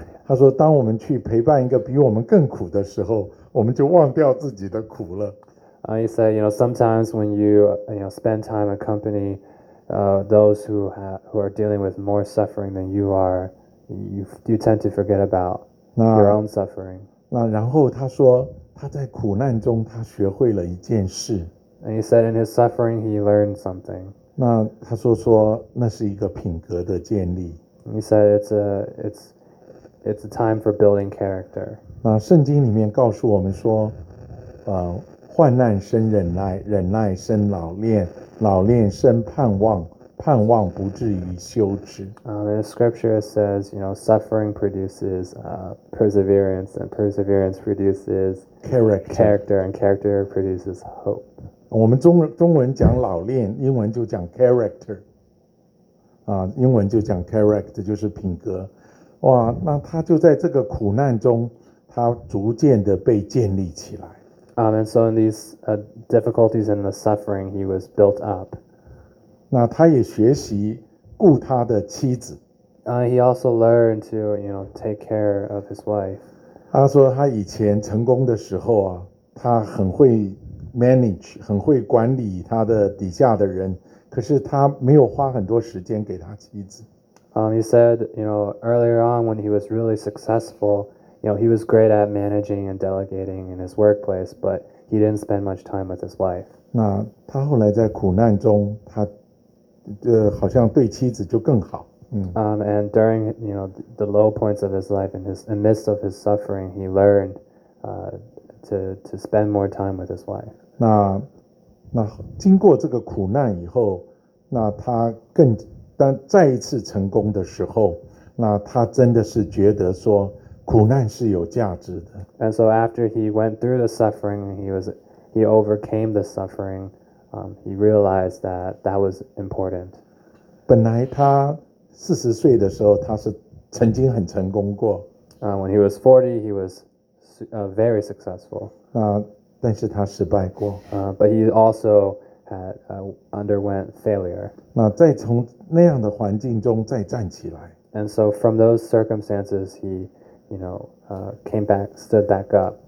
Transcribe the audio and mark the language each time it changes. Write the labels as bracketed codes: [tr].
[zh] 他说，当我们去陪伴一个比我们更苦的时候。我们就忘掉自己的苦了。 [en] He said, you know, sometimes when you spend time accompany those who are dealing with more suffering than you are, you tend to forget about your own suffering. [zh] 那然后他说他在苦难中他学会了一件事。 [en] And he said in his suffering he learned something. [zh] 那他说那是一个品格的建立。 [en] And he said it's a time for building character. [zh] 那圣经里面告诉我们说，患难生忍耐，忍耐生老练，老练生盼望，盼望不至于羞耻。 [en] The scripture says, you know, suffering produces perseverance, and perseverance produces character, and character produces hope. [zh] 我们中文讲老练，英文就讲 character. 英文就讲 character 就是品格。哇，那他就在这个苦难中，他逐渐的被建立起来。 [en] And so in these difficulties and the suffering, he was built up. [zh] 那他也学习顾他的妻子。 [en] He also learned to, you know, take care of his wife. [zh] 他说他以前成功的时候啊，他很会 manage, 很会管理他的底下的人，可是他没有花很多时间给他妻子。 [en] He said, you know, earlier on when he was really successful, you know, he was great at managing and delegating in his workplace, but he didn't spend much time with his wife. [zh] 那他后来在苦难中，他好像对妻子就更好。 [en] And during, you know, the low points of his life, in the midst of his suffering, he learned to spend more time with his wife. [zh] 那经过这个苦难以后，那他更当再一次成功的时候，那他真的是觉得说苦难是有价值的。 [en] And so after he went through the suffering, he overcame the suffering, he realized that was important. [zh] 本来他40岁的时候，他是曾经很成功过。 [en] When he was 40, he was very successful. [zh] 那但是他失败过。 [en] But he also had underwent failure. [zh] 那再从那样的环境中再站起来。 [en] And so from those circumstances, he, you know, came back, stood back up.